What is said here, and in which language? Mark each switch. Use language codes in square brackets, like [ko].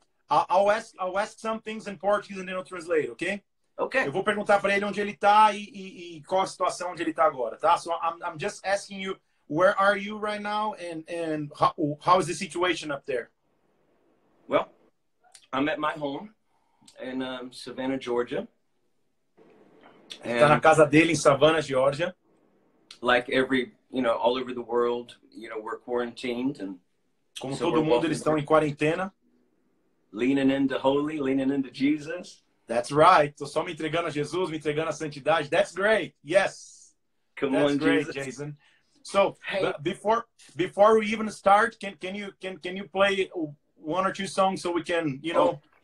[en] I'll ask some things in Portuguese and then I'll translate, okay? Okay. [pt] Eu vou perguntar para ele onde ele está e qual a situação onde ele está agora, tá? [en] So I'm just asking you, where are you right now and how is the situation up there? Well, I'm at my home in Savannah, Georgia. [pt] Está na casa dele em Savannah, Georgia. [en] Like every, you know, all over the world, you know, we're quarantined. And [pt] como todo mundo, eles estão em quarentena. [en] Leaning into holy, leaning into Jesus. That's right. [pt] Estou só me entregando a Jesus, me entregando a santidade. [en] That's great. Yes. Come That's on, great, Jesus. Jason. So, hey. before we even start, can you play one or two songs so we can, you know,